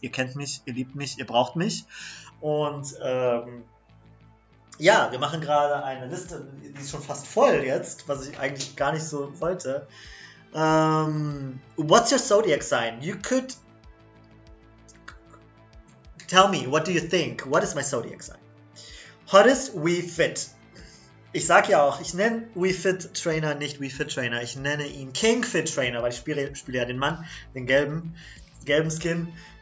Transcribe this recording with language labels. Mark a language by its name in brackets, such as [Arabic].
[German] Ihr kennt mich, ihr liebt mich, ihr braucht mich. Und, ja, wir machen gerade eine Liste, die ist schon fast voll jetzt, was ich eigentlich gar nicht so wollte. [English] What's your zodiac sign? You could tell me, what do you think? What is my zodiac sign? Hottest We Fit. [German] Ich sag ja auch, ich nenne We Fit Trainer nicht We Fit Trainer. Ich nenne ihn King Fit Trainer, weil ich spiele ja den Mann, den gelben Skin.